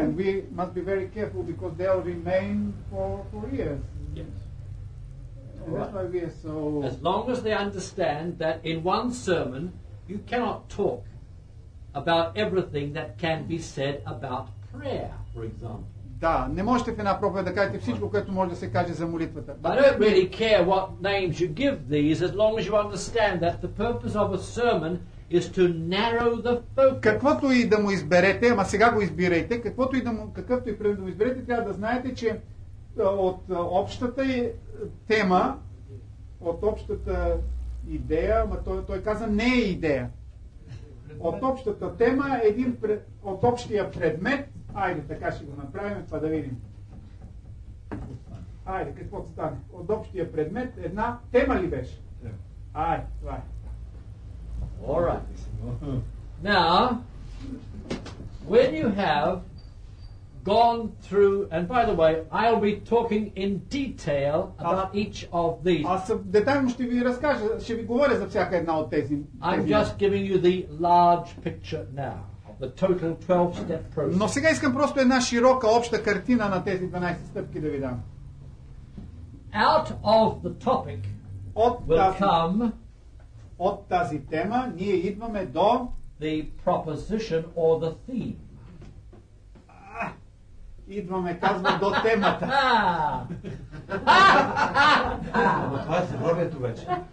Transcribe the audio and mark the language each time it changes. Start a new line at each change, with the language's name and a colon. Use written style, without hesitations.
English: And we must be very careful because they'll remain for years. Yes. That's why we are so. As long as they understand that in one sermon you cannot talk about everything that can be said about prayer, for example.
Bulgarian: Да, не можете в една проповед да кажете всичко, което може да се каже за молитвата.
English: But I don't really care what names you give these, as long as you understand that the purpose of a sermon is to narrow the focus.
Bulgarian: Каквото и да му изберете, ама сега го избирайте, каквото и да му, какъвто и предмет да му изберете, трябва да знаете, че от общата тема, от общата идея, ама той каза не е идея. От общата тема, от общия предмет, айде, така ще го направим, това да видим. Айде, какво стане? От общия предмет една тема ли беше? Айде, това е.
English: All right. Now, when you have gone through, and by the way, I'll be talking in detail about each of these.
Bulgarian: Аз детайлно ще ви разкажа, ще ви говоря за всяка една от тези.
English: I'm just giving you the large picture now. The total 12-step process.
Bulgarian: Но сега искам просто една широка обща картина на тези 12 стъпки да ви дам.
English: Out of the topic will come
Bulgarian: от тази тема ние идваме до
English: the proposition or the theme.
Bulgarian: Идваме, казва, до темата. Но това е заглавието вече.